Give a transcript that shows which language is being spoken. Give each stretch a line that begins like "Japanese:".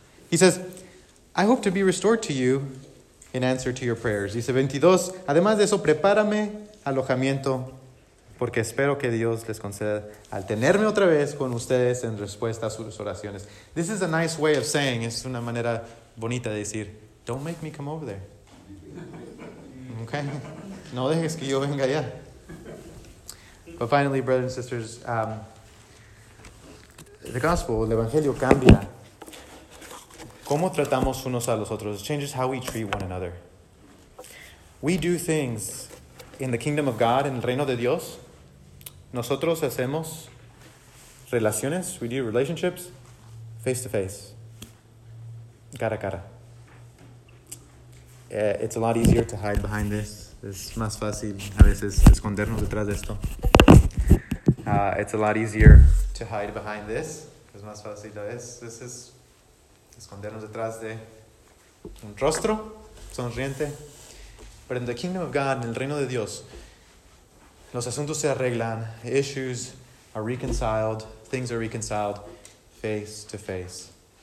English: He says, I hope to be restored to you in answer to your prayers.
Spanish: Dice 22, además de eso, prepárame alojamiento, porque espero que Dios les conceda al tenerme otra vez con ustedes en respuesta a sus oraciones.
English: This is a nice way of saying,
Spanish: es una manera bonita de decir,
English: don't make me come over there. Okay?
Spanish: No dejes que yo venga allá.
English: But finally, brothers and sisters, the gospel,
Spanish: el evangelio cambia. ¿Cómo tratamos unos a los otros?
English: It changes how we treat one another. We do things in the kingdom of God,
Spanish: en el reino de Dios. Nosotros hacemos
English: relaciones, we do relationships face to face,
Spanish: cara a cara.
English: It's a lot easier to hide behind this.
Spanish: Es más fácil a veces escondernos detrás de esto.
English: It's a lot easier to hide behind this.
Spanish: Es más fácil a veces escondernos detrás de un rostro sonriente.
English: But in the kingdom of God,
Spanish: en el reino de Dios, los asuntos se arreglan.
English: Issues are reconciled. Things are reconciled face to face.